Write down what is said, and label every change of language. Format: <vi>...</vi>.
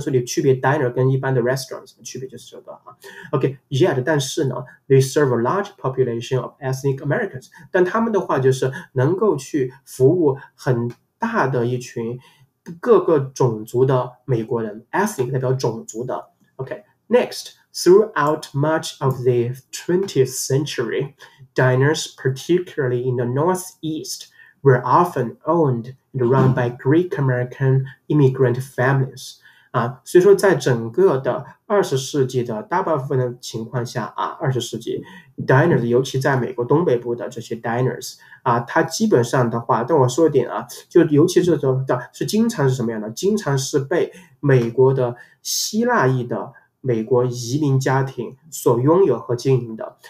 <zh>所以区别 diner 跟一般的 restaurant 什么区别就是这个啊。</zh> <en>OK, yet</en> <zh>但是呢 ，</zh> <en>they serve a large population of ethnic Americans.</en> <zh>但他们的话就是能够去服务很大的一群各个种族的美国人 ，ethnic 代表种族的。</zh> <en>OK, next. Throughout much of the 20th century, diners, particularly in the Northeast, were often owned and run by Greek-American immigrant families.</en> <zh>所以说在整个的20世纪的大部分的情况下啊，20世纪 diners, 尤其在美国东北部的这些 diners, 它基本上的话，但我说一点啊，就尤其这种的是经常是什么样的，经常是被美国的希腊裔的美国移民家庭所拥有和经营的。</zh>